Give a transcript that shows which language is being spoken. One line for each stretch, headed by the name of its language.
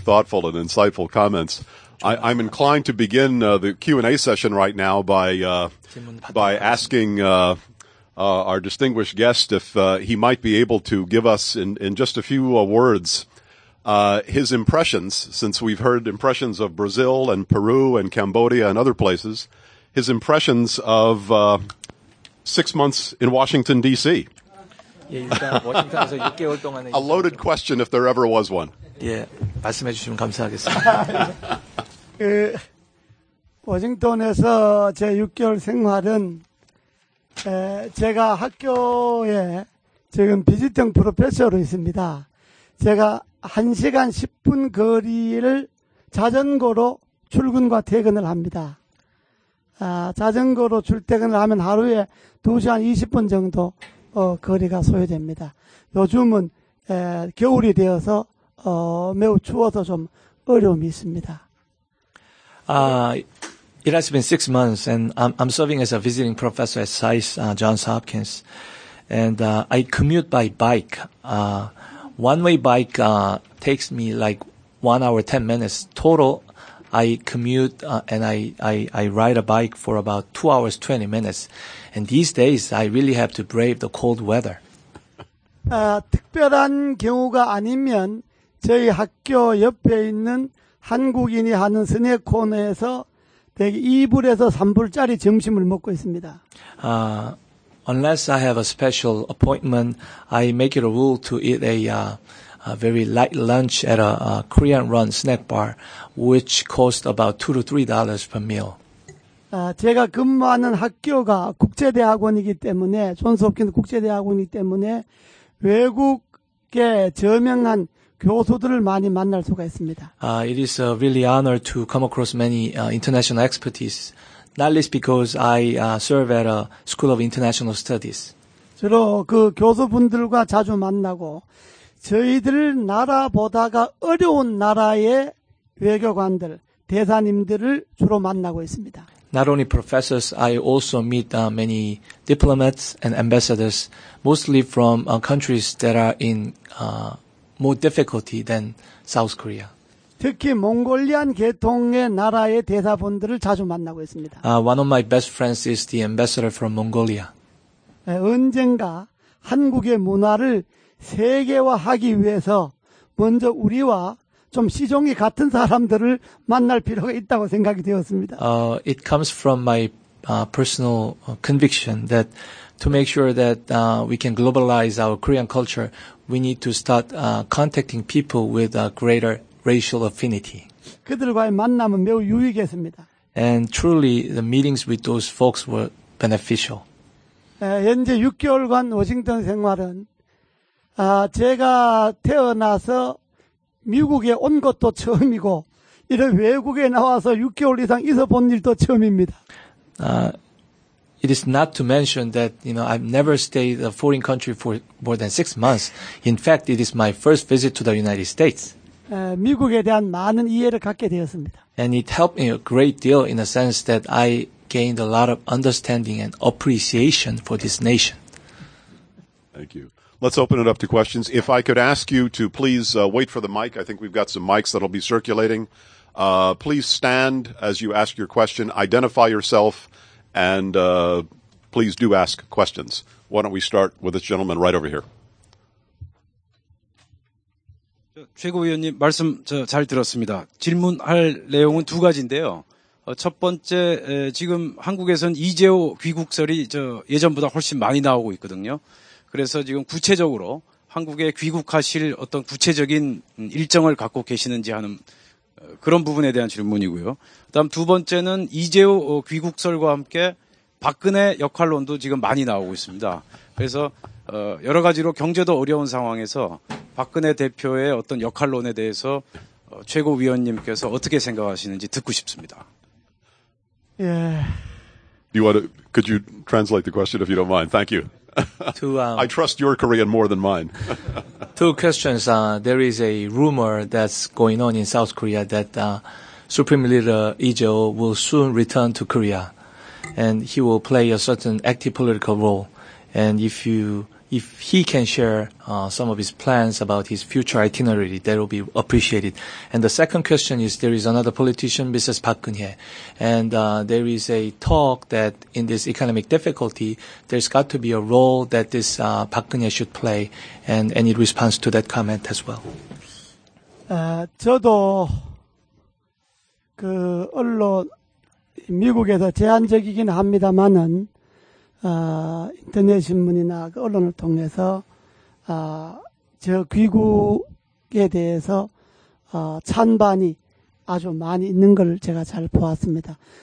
Korean: 질문
English: inclined to begin the Q&A session right now by asking our distinguished guest if he might be able to give us in just a few words his impressions, since we've heard impressions of Brazil and Peru and Cambodia and other places, his impressions of 6 months in Washington, D.C. A loaded question, if there ever was one.
Korean: 예, 말씀해 주시면 감사하겠습니다. 워싱턴에서 제 6개월 생활은 제가 학교에 지금 비지팅 프로페서로 있습니다. 제가 1시간 10분 거리를 자전거로 출근과 퇴근을 합니다. 자전거로 출퇴근을 하면 하루에 2시간 20분 정도 거리가 소요됩니다. 요즘은 겨울이 되어서 매우 추워서 좀 어려움이 있습니다.
English: It has been 6 months, and I'm serving as a visiting professor at SAIS, Johns Hopkins. And I commute by bike. One-way bike takes me like 1 hour, 10 minutes. Total, I commute and I ride a bike for about 2 hours, 20 minutes. And these days, I really have to brave the cold weather.
Korean: 특별한 경우가 아니면 저희 학교 옆에 있는 한국인이 하는 스낵 코너에서 2불에서 3불짜리 점심을 먹고 있습니다.
English: Unless I have a special appointment, I make it a rule to eat a very light lunch at a Korean-run snack bar, which costs about $2 to $3 per meal.
Korean: 제가 근무하는 학교가 국제대학원이기 때문에, 존스홉킨스 국제대학원이기 때문에 외국에 저명한 교수들을 많이 만날 수가 있습니다.
English: It is a really honor to come across many international expertise, not least because I serve at a school of international studies.
Korean: 주로 그 교수분들과 자주 만나고 저희들 나라보다가 어려운 나라의 외교관들, 대사님들을 주로 만나고 있습니다.
English: Not only professors, I also meet many diplomats and ambassadors, mostly from countries that are in more difficulty than South Korea.
Korean: 특히 몽골리안 계통의 나라의 대사분들을 자주 만나고 있습니다.
English: One of my best friends is the ambassador from Mongolia.
Korean: 언젠가 한국의 문화를 세계화하기 위해서 먼저 우리와 좀 시종이 같은 사람들을 만날 필요가 있다고 생각이 되었습니다.
English: It comes from my personal conviction that to make sure that we can globalize our Korean culture, we need to start contacting people with a greater racial affinity.
Korean: 그들과의 만남은 매우 유익했습니다.
English: And truly, the meetings with those folks were beneficial.
Korean: 현재 6개월간 워싱턴 생활은 제가 태어나서 미국에 온 것도 처음이고 이런 외국에 나와서 6개월 이상 있어 본 일도 처음입니다.
English: It is not to mention that, you know, I've never stayed in a foreign country for more than 6 months. In fact, it is my first visit to the United States.
Korean: 미국에 대한 많은 이해를 갖게 되었습니다.
English: And it helped me a great deal in a sense that I gained a lot of understanding and appreciation for this nation. Thank you. Let's open it up to questions. If I could ask you to please wait for the mic. I think we've got some mics that'll be circulating. Please stand as you ask your question. Identify yourself, and please do ask questions. Why don't we start with this gentleman right over here.
Korean: 최고위원님, 말씀 잘 들었습니다. 질문할 내용은 두 가지인데요. 첫 번째 지금 한국에선 이재호 귀국설이 저 예전보다 훨씬 많이 나오고 있거든요. 그래서 지금 구체적으로 한국에 귀국하실 어떤 구체적인 일정을 갖고 계시는지 하는 그런 부분에 대한 질문이고요. 그다음 두 번째는 이재호 귀국설과 함께 박근혜 역할론도 지금 많이 나오고 있습니다. 그래서 여러 가지로 경제도 어려운 상황에서 박근혜 대표의 어떤 역할론에 대해서 최고위원님께서 어떻게 생각하시는지 듣고 싶습니다.
English: Yeah. You want to, could you translate the question if you don't mind? Thank you. I trust your Korean more than mine. Two questions. There is a rumor that's going on in South Korea that Supreme Leader Lee Jae-ho will soon return to Korea, and he will play a certain active political role. And if he can share some of his plans about his future itinerary, that will be appreciated. And the second question is, there is another politician, Mrs. Park Geun-hye, and there is a talk that in this economic difficulty, there's got to be a role that this Park Geun-hye should play, and any response to that comment as well.
Korean: 저도 그 언론 미국에서 제한적이긴 합니다만은 인터넷 신문이나 그 언론을 통해서 저 귀국에 대해서 찬반이 아주 많이 있는 걸 제가 잘 보았습니다.